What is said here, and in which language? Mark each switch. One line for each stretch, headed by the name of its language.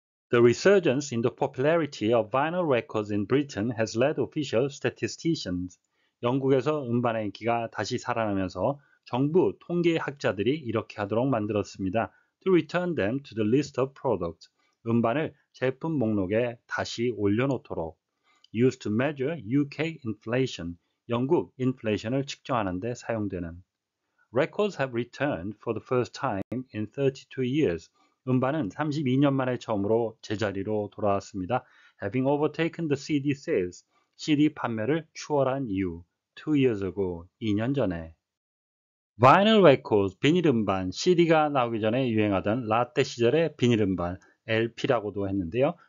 English: The resurgence in the popularity of vinyl records in Britain has led official statisticians.
Korean: 영국에서 음반의 인기가 다시 살아나면서 정부 통계학자들이 이렇게 하도록 만들었습니다.
English: To return them to the list of products.
Korean: 음반을 제품 목록에 다시 올려놓도록.
English: Used to measure UK inflation.
Korean: 영국 인플레이션을 측정하는 데 사용되는.
English: Records have returned for the first time in 32 years.
Korean: 음반은 32년 만에 처음으로 제자리로 돌아왔습니다.
English: Having overtaken the CD sales,
Korean: CD 판매를 추월한 이후,
English: 2 years ago,
Korean: 2년 전에. Vinyl records, 비닐음반, CD가 나오기 전에 유행하던 라떼 시절의 비닐음반, LP라고도 했는데요.